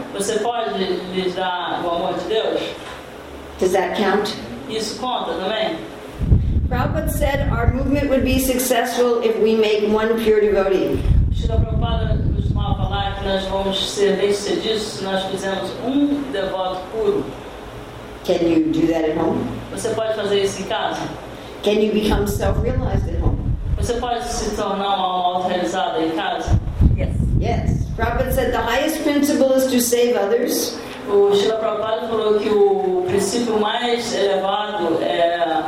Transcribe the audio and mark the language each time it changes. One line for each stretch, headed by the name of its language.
Portuguese: Você pode lhes dar o amor de Deus?
English: Does that count?
Portuguese: Isso conta também.
English: Prabhupada said our movement would be successful if we make one pure devotee.
Portuguese: Srila Prabhupada costumava falar que nós vamos ser bem-sucedidos se nós fizermos devoto puro.
English: Can you do that at home?
Portuguese: Você pode fazer isso em casa?
English: Can you become self-realized at home?
Portuguese: Você pode se tornar uma alma autorrealizada em casa?
English: Yes. Prabhupada said the highest principle is to save others.
Portuguese: O Srila Prabhupada falou que o princípio mais elevado é